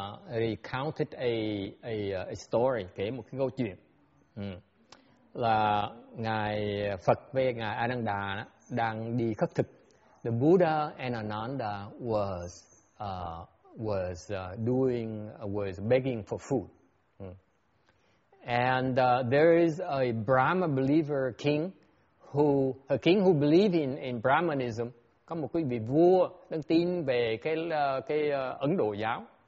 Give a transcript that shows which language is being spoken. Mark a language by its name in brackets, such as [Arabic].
[English] recounted a story, [Vietnamese] kể một cái câu chuyện. Là ngài Phật với ngài Ananda đang đi khất thực. [English] The Buddha and Ananda was begging for food. And there is a Brahma believer king who believe in Brahmanism. [Vietnamese] Có một quý vị vua đang tin về cái Ấn Độ giáo.